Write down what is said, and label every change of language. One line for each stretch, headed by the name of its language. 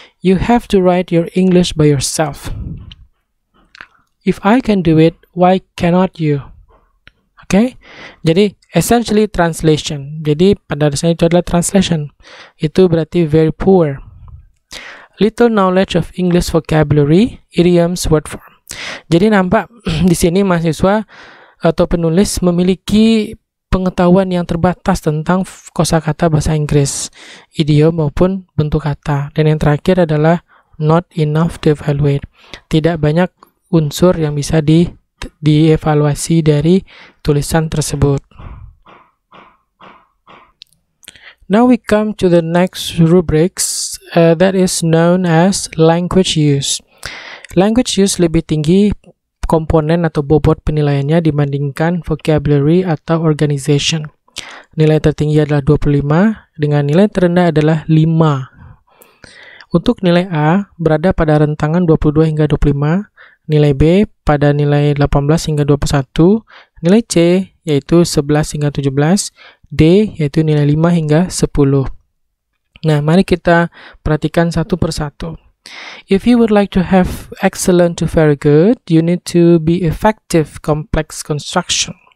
English: You have to write your English by yourself. If I can do it, why cannot you?
Indonesian: Oke. Okay? Jadi
English: essentially translation.
Indonesian: Jadi pada dasarnya itu adalah translation. Itu berarti
English: very poor. Little knowledge of English vocabulary, idioms, word form.
Indonesian: Jadi nampak di sini mahasiswa atau penulis memiliki pengetahuan yang terbatas tentang kosakata bahasa Inggris, idiom maupun bentuk kata. Dan yang terakhir adalah
English: not enough to evaluate.
Indonesian: Tidak banyak unsur yang bisa dievaluasi dari tulisan tersebut.
English: Now we come to the next rubrics that is known as language use.
Indonesian: Language use lebih tinggi komponen atau bobot penilaiannya dibandingkan vocabulary atau organization. Nilai tertinggi adalah 25, dengan nilai terendah adalah 5. Untuk nilai A, berada pada rentangan 22 hingga 25, nilai B pada nilai 18 hingga 21, nilai C yaitu 11 hingga 17, D yaitu nilai 5 hingga 10. Nah, mari kita perhatikan satu per satu.
English: If you would like to have excellent to very good, you need to be effective complex construction.